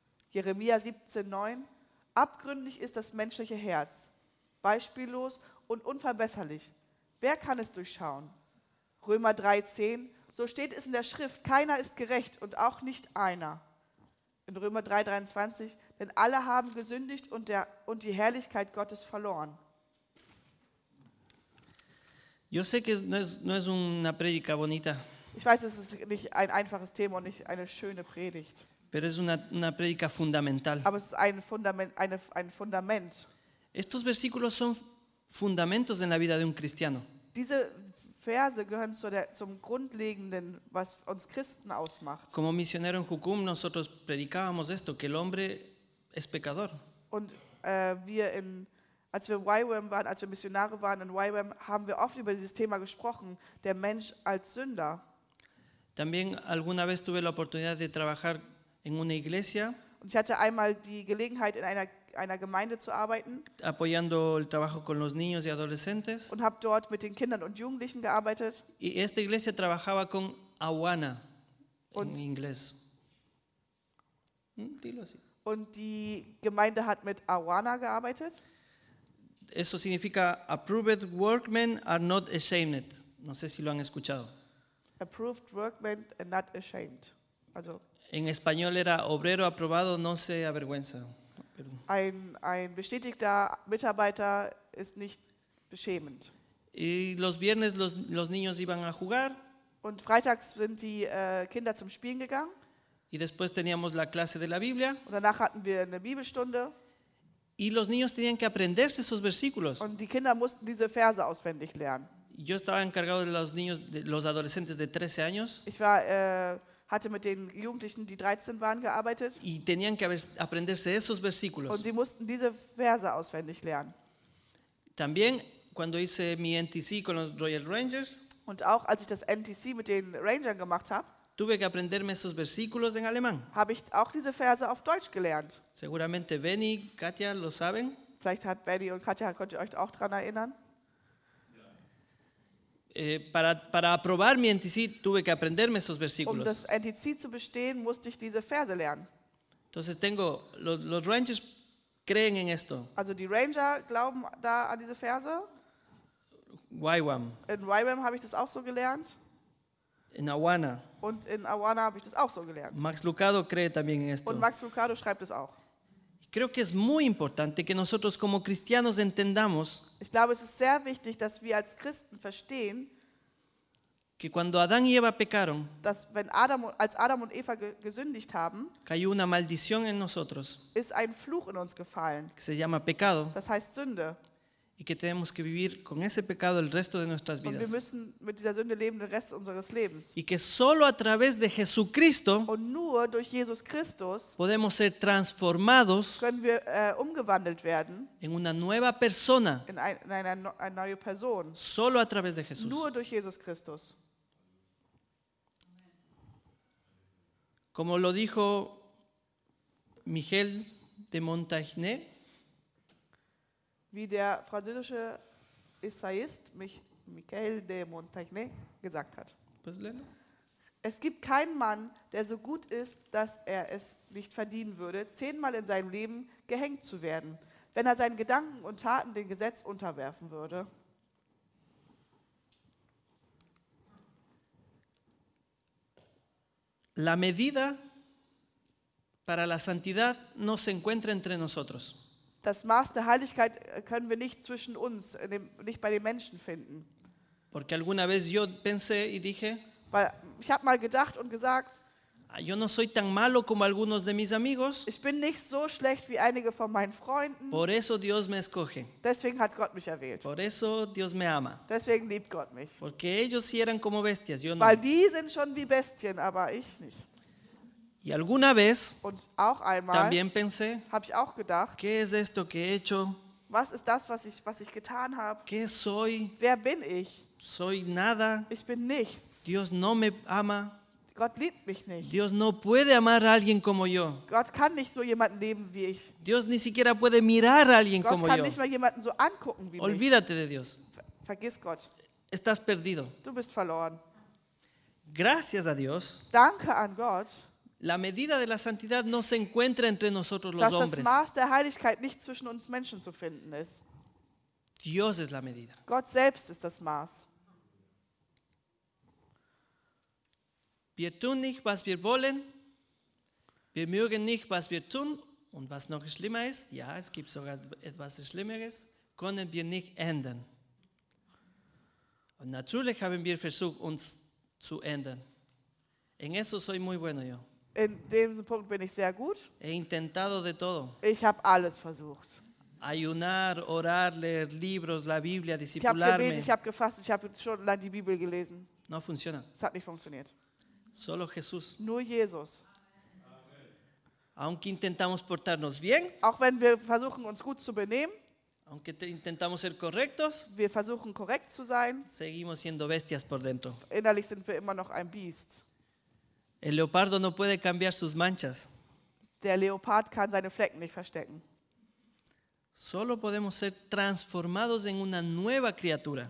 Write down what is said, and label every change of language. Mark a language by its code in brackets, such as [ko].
[de] Jeremia 17,9: Abgründig ist das menschliche Herz, beispiellos und unverbesserlich. Wer kann es durchschauen? Römer 3,10: So steht es in der Schrift, keiner ist gerecht und auch nicht einer. In Römer 3,23: Denn alle haben gesündigt und die Herrlichkeit Gottes verloren. [es] Yo sé que no es una predica bonita. [de] Ich weiß, es ist nicht ein einfaches Thema und nicht eine schöne Predigt. [es] Pero es una predica fundamental. [de] Aber es ist ein Fundament. [es] Estos versículos son fundamentos en la vida de un cristiano. [de] Diese Verse gehören zum Grundlegenden, was uns Christen ausmacht. [es] Como misionero en Jucum, nosotros predicábamos esto, que el hombre es pecador. [de] Und wir in Als wir YWAM waren, als wir Missionare waren in YWAM, haben wir oft über dieses Thema gesprochen, der Mensch als Sünder. [es] También alguna vez tuve la oportunidad de trabajar en una iglesia. [de] Und ich hatte einmal die Gelegenheit, in einer Gemeinde zu arbeiten. [es] Apoyando el trabajo con los niños y adolescentes. [de] Und habe dort mit den Kindern und Jugendlichen gearbeitet. [es] Y esta iglesia trabajaba con Awana en inglés. Dilo así. [de] Und die Gemeinde hat mit Awana gearbeitet. [es] Eso significa [en] approved workmen are not ashamed. [es] No sé si lo han escuchado. [en] Approved workmen and not ashamed. [de] Also, [es] en español era obrero aprobado, no se avergüenza. [de] Ein bestätigter Mitarbeiter ist nicht beschämend. [es] Y los viernes los niños iban a jugar. [de] Und freitags sind die Kinder zum Spielen gegangen. [es] Y después teníamos la clase de la Biblia. [de] Und danach hatten wir eine Bibelstunde. [es] Y los niños tenían que aprenderse esos versículos. [de] Und die Kinder mussten diese Verse auswendig lernen. [es] Yo estaba encargado de los niños, de los adolescentes de 13 años. [de] Ich war, hatte mit den Jugendlichen, die 13 waren, gearbeitet. [es] Y tenían que aprenderse esos versículos. [de] Und sie mussten diese Verse auswendig lernen. [es] También cuando hice mi NTC con los Royal Rangers. [de] Und auch als ich das NTC mit den Rangern gemacht habe. [es] Tuve que aprenderme esos versículos en alemán. [de] Habe ich auch diese Verse auf Deutsch gelernt. [es] Seguramente Benny, Katja lo saben. [de] Vielleicht hat Benny und Katja, könnt ihr euch auch dran erinnern. [es] Para aprobar mi NTC tuve que aprenderme esos versículos. [de] Um das NTC zu bestehen, musste ich diese Verse lernen. [es] Entonces tengo los Rangers creen en esto. [de] Also die Ranger glauben da an diese Verse. [es] YWAM. [de] In YWAM habe ich das auch so gelernt. [es] In Awana. [de] Und in Awana habe ich das auch so gelernt. [es] Max Lucado cree también en esto. [de] Und Max Lucado schreibt es auch. [es] Creo que es muy importante que nosotros como cristianos entendamos. [de] Ich glaube, es ist sehr wichtig, dass wir als Christen verstehen, [es] que cuando Adán y Eva pecaron, [de] dass wenn Adam, als Adam und Eva gesündigt haben, [es] cayó una maldición en nosotros, [de] ist ein Fluch in uns gefallen. [es] Que se llama pecado. [de] Das heißt Sünde. [es] Y que tenemos que vivir con ese pecado el resto de nuestras vidas. [de] Und wir müssen mit dieser Sünde leben den Rest unseres Lebens. [es] Y que solo a través de Jesucristo [de] und nur durch Jesus Christus [es] podemos ser transformados, [de] können wir umgewandelt werden [es] en una nueva persona, [de] in eine neue Person, [es] solo a través de Jesús. [de] Nur durch Jesus Christus. [es] Como lo dijo Miguel de Montaigne, [de] wie der französische Essayist Michel de Montaigne gesagt hat. Es gibt keinen Mann, der so gut ist, dass er es nicht verdienen würde, 10-mal in seinem Leben gehängt zu werden, wenn er seinen Gedanken und Taten dem Gesetz unterwerfen würde. [es] La medida para la santidad no se encuentra entre nosotros. [de] Das Maß der Heiligkeit können wir nicht zwischen uns, nicht bei den Menschen finden. [es] Porque alguna vez yo pensé y dije, [de] weil ich habe mal gedacht und gesagt, [es] yo no soy tan malo como algunos de mis amigos, [de] ich bin nicht so schlecht wie einige von meinen Freunden. [es] Por eso Dios me escoge. [de] Deswegen hat Gott mich erwählt. [es] Por eso Dios me ama. [de] Deswegen liebt Gott mich. [es] Porque ellos sí eran como bestias, yo no. [de] Weil die sind schon wie Bestien, aber ich nicht. [es] Y alguna vez, [de] und auch einmal, [es] también pensé, [de] habe ich auch gedacht, [es] ¿qué es esto que he hecho? [de] Was ist das, was ich getan habe? [es] ¿Qué soy? [de] Wer bin ich? [es] Soy nada. [de] Ich bin nichts. [es] Dios no me ama. [de] Gott liebt mich nicht. [es] Dios no puede amar a alguien como yo. [de] Gott kann nicht so jemanden lieben wie ich. [es] Dios ni siquiera puede mirar a alguien como yo. [de] Gott kann nicht mal jemanden so angucken wie mich. [es] Olvídate de Dios. [de] Vergiss Gott. [es] Estás perdido. [de] Du bist verloren. [es] Gracias a Dios. [de] Danke an Gott. [es] La medida de la santidad no se encuentra entre nosotros los hombres. [de] Das Maß der Heiligkeit nicht zwischen uns Menschen zu finden ist. [es] Dios es la medida. [de] Gott selbst ist das Maß. Wir tun nicht, was wir wollen. Wir mögen nicht, was wir tun. Und was noch schlimmer ist, ja, es gibt sogar etwas Schlimmeres, können wir nicht ändern. Und natürlich haben wir versucht, uns zu ändern. [es] En eso soy muy bueno yo. [de] In dem Punkt bin ich sehr gut. [es] He intentado de todo. [de] Ich habe alles versucht. [es] Ayunar, orar, leer libros, la Biblia, discipularme. [de] Ich habe gebetet, ich habe gefasst, ich habe schon lange die Bibel gelesen. [es] No funciona. [de] Es hat nicht funktioniert. [es] Solo Jesús. [de] Nur Jesus. [es] Aunque intentamos portarnos bien, [de] auch wenn wir versuchen, uns gut zu benehmen, [es] aunque intentamos ser correctos, [de] wir versuchen, korrekt zu sein, [es] seguimos siendo bestias por dentro. [de] Innerlich sind wir immer noch ein Biest. [es] El leopardo no puede cambiar sus manchas. [de] Der Leopard kann seine Flecken nicht verstecken. [es] Solo podemos ser transformados en una nueva criatura.